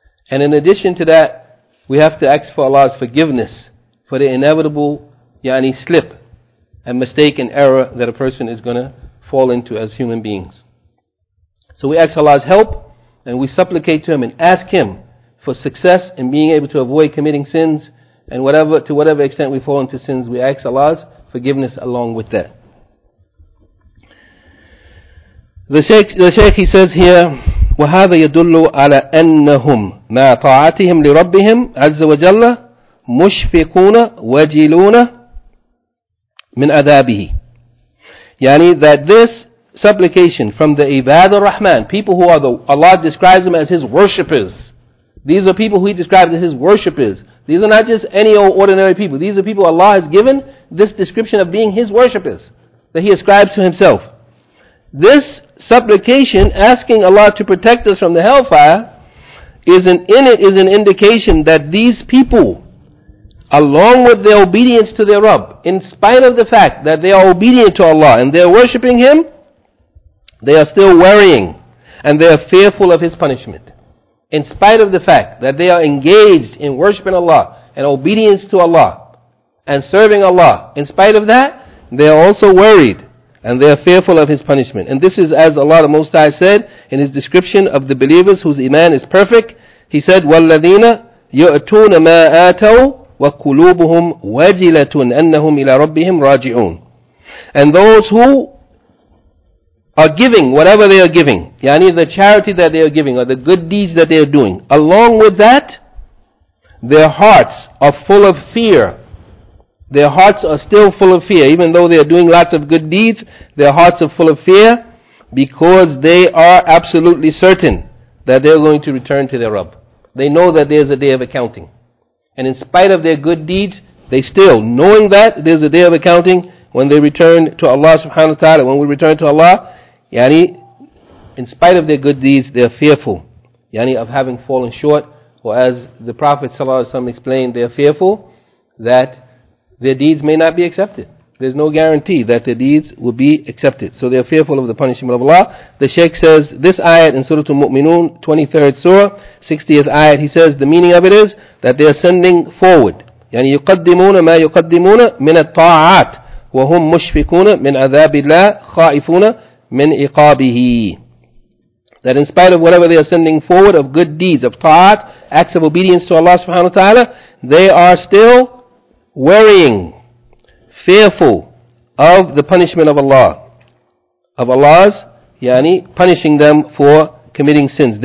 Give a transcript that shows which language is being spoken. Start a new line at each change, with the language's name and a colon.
English: And in addition to that, we have to ask for Allah's forgiveness for the inevitable yani slip and mistake and error that a person is going to fall into as human beings. So we ask Allah's help and we supplicate to Him and ask Him for success in being able to avoid committing sins, and whatever to whatever extent we fall into sins, we ask Allah's forgiveness along with that. The Sheikh he says here,
Arabic: وَهَذَا يَدُلُّ عَلَىٰ أَنَّهُمْ مَا طَاعَتِهِمْ لِرَبِّهِمْ عَزَّ وَجَلَّ مُشْفِقُونَ وَجِلُونَ مِنْ أَذَابِهِ.
English: Yani that this supplication from the Ibad al-Rahman, people who are the, Allah describes them as His worshippers. These are people who He describes as His worshippers. These are not just any old ordinary people. These are people Allah has given this description of being His worshippers, that He ascribes to Himself. This supplication, asking Allah to protect us from the hellfire, is an indication that these people, along with their obedience to their Rabb, in spite of the fact that they are obedient to Allah and they are worshipping Him, they are still worrying and they are fearful of His punishment. In spite of the fact that they are engaged in worshipping Allah and obedience to Allah and serving Allah, in spite of that, they are also worried and they are fearful of His punishment. And this is as Allah the Most High said in His description of the believers whose iman is perfect. He said,
Arabic: وَالَّذِينَ يُؤْتُونَ مَا آتَوْا وَقُلُوبُهُمْ وَجِلَةٌ أَنَّهُمْ إِلَىٰ رَبِّهِمْ رَاجِعُونَ.
English: And those who are giving whatever they are giving, yani the charity that they are giving or the good deeds that they are doing, along with that, their hearts are full of fear. Their hearts are still full of fear. Even though they are doing lots of good deeds, their hearts are full of fear because they are absolutely certain that they are going to return to their Rabb. They know that there is a day of accounting. And in spite of their good deeds, they still, knowing that there is a day of accounting, when they return to Allah subhanahu wa ta'ala, when we return to Allah, yani, in spite of their good deeds, they are fearful, yani, of having fallen short. Or as the Prophet sallallahu alaihi wasallam explained, they are fearful that their deeds may not be accepted. There's no guarantee that their deeds will be accepted. So they are fearful of the punishment of Allah. The Shaykh says, this ayat in Surah Al-Mu'minun, 23rd Surah, 60th ayat, he says, the meaning of it is that they are sending forward.
Arabic: يعني يقدمون ما يقدمون من الطاعات وهم مشفقون من عذاب الله خائفون من عقابه.
English: That in spite of whatever they are sending forward of good deeds, of ta'at, acts of obedience to Allah subhanahu wa ta'ala, they are still worrying, fearful of the punishment of Allah, of Allah's, yani, punishing them for committing sins.